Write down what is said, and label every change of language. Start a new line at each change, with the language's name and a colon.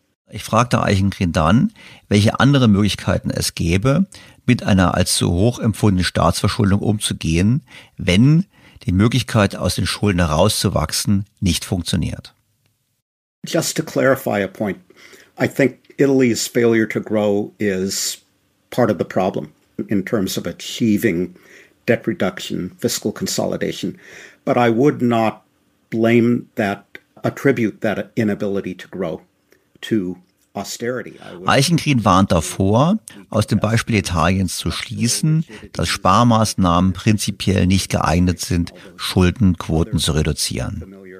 German: Ich fragte Eichengreen dann, welche andere Möglichkeiten es gäbe, mit einer als zu hoch empfundenen Staatsverschuldung umzugehen, wenn die Möglichkeit, aus den Schulden herauszuwachsen, nicht funktioniert.
English: Just to clarify a point, I think Italy's failure to grow is part of the problem in terms of achieving debt reduction, fiscal consolidation. But I would not blame that, attribute that inability to grow to
German: Eichengreen warnt davor, aus dem Beispiel Italiens zu schließen, dass Sparmaßnahmen prinzipiell nicht geeignet sind, Schuldenquoten zu reduzieren.